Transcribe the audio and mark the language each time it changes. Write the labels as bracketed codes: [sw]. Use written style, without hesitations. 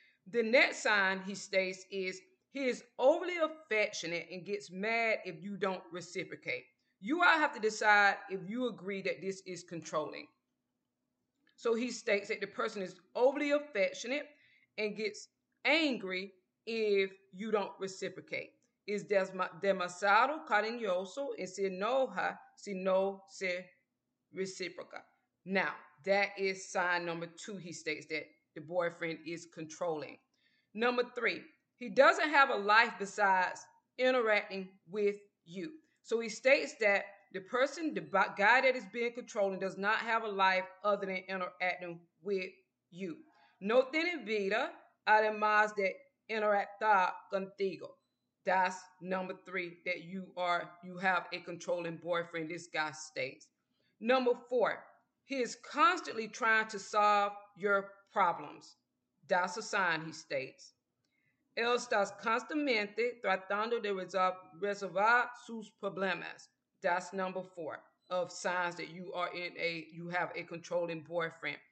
[en] The next sign he states is he is overly affectionate and gets mad if you don't reciprocate. You all have to decide if you agree that this is controlling. So he states that the person is overly affectionate and gets angry if you don't reciprocate. [es] Es demasiado cariñoso y se enoja si no se reciproca. [en] Now, that is sign number two. He states that the boyfriend is controlling. Number three, he doesn't have a life besides interacting with you. So he states that the person, the guy that is being controlling, does not have a life other than interacting with you. [es] No tiene vida además de interactar contigo. [en] That's number three, that you have a controlling boyfriend, this guy states. Number four, he is constantly trying to solve your problems. That's a sign, he states. [es] Él está constantemente tratando de resolver sus problemas. [en] That's number four of signs that you have a controlling boyfriend.